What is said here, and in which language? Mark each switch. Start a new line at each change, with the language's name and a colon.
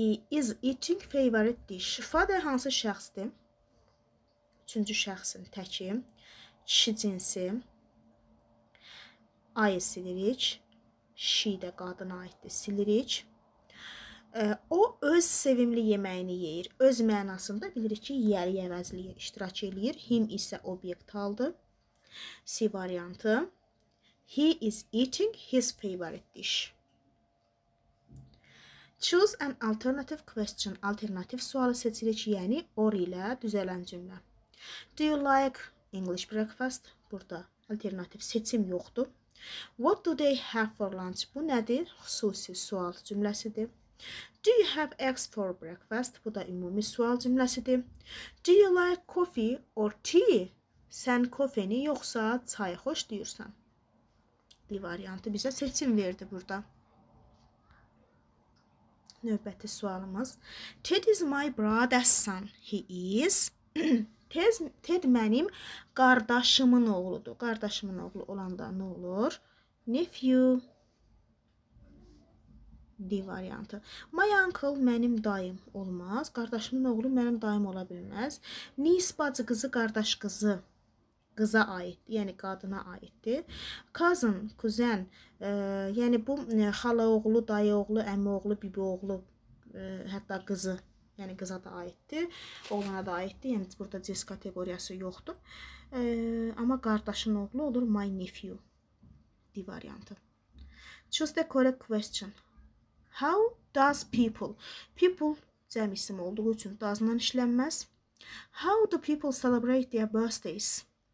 English: Is eating favorite dish.
Azerbaijani: Father hansı şəxsdir? Üçüncü şəxsin təki, kişi cinsi, ayı silirik, şi də qadına aiddir, silirik. O, öz sevimli yeməyini yeyir. Öz mənasında bilirik ki, yəri yəvəzliyi iştirak edir. Him isə obyekt aldı. C variantı.
English: He is eating his favorite dish. Choose an alternative question.
Azerbaijani: Alternativ sualı seçirik, yəni or ilə düzələn cümlə.
English: Do you like English breakfast?
Azerbaijani: Burada alternativ seçim yoxdur.
English: What do they have for lunch?
Azerbaijani: Bu nədir? Xüsusi sual cümləsidir.
English: Do you have eggs for breakfast?
Azerbaijani: Bu da ümumi sual cümləsidir.
English: Do you like coffee or tea?
Azerbaijani: Sən kofeni yoxsa çayı xoş deyirsən? D variantı bizə seçim verdi burada. Növbəti sualımız.
English: Ted is my brother's son. He is...
Azerbaijani: Ted mənim qardaşımın oğludur. Qardaşımın oğlu olanda nə olur? Nephew. D variantı.
English: My uncle
Azerbaijani: mənim dayım olmaz. Qardaşımın oğlu mənim dayım ola bilməz. Niece bacı qızı, qardaş qızı. Qıza aiddir, yəni qadına aiddir. Cousin, kuzen, yəni bu xala oğlu, dayı oğlu, əmi oğlu, bibi oğlu, hətta qızı. Yəni, qıza da aiddir, oğlana da aiddir. Yəni, burada cins kateqoriyası yoxdur. Amma qardaşın oğlu olur
English: my nephew.
Azerbaijani: D variantı.
English: Choose the correct question. How does people?
Azerbaijani: People cəm isim olduğu üçün does-dan işlənməz.
English: How do people celebrate their birthdays?